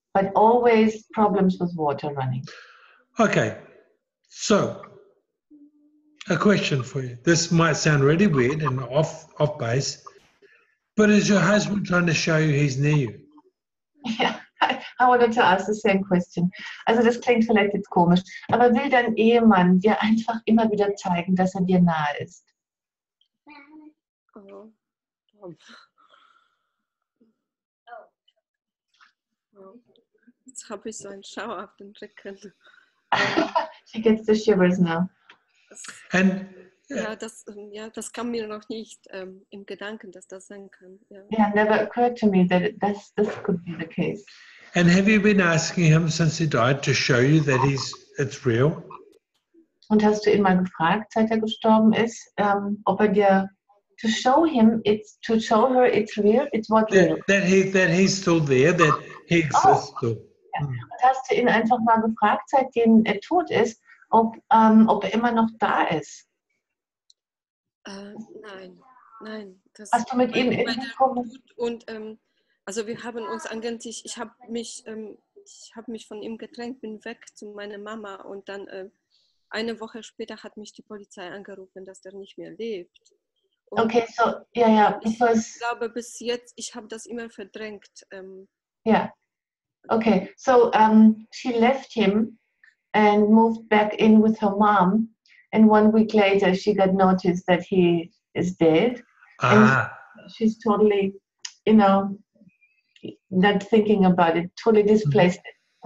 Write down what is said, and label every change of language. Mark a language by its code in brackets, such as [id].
[en] But always problems with water running. Okay. So, a question for you. This might sound really weird and off base. But is your husband trying to show you he's near you? Yeah, I wanted to ask the same question. [de] Also das klingt vielleicht jetzt komisch. Aber will dein Ehemann dir einfach immer wieder zeigen, dass er dir nahe ist? Jetzt habe ich so einen Schauer auf den Rücken. [en] She gets the shivers now. And [de] Das kam mir noch nicht im Gedanken, dass das sein kann. [en] Yeah, never occurred to me that this could be the case. And have you been asking him since he died to show you that it's real? [de] Und hast du ihn mal gefragt, seit er gestorben ist, ob er dir [en] to show her it's real, it's what real? That he's still there, that he exists still. Yeah. [de] Und hast du ihn einfach mal gefragt, seitdem er tot ist, ob er immer noch da ist? Nein. Das hast du mit ihm gut und wir haben uns eigentlich. Ich habe mich von ihm getrennt, bin weg zu meiner Mama und dann eine Woche später hat mich die Polizei angerufen, dass er nicht mehr lebt. Und okay, so ich glaube bis jetzt, ich habe das immer verdrängt. Okay. [en] So she left him and moved back in with her mom. And 1 week later, she got noticed that he is dead. Ah. And she's totally, you know, not thinking about it, totally displaced it.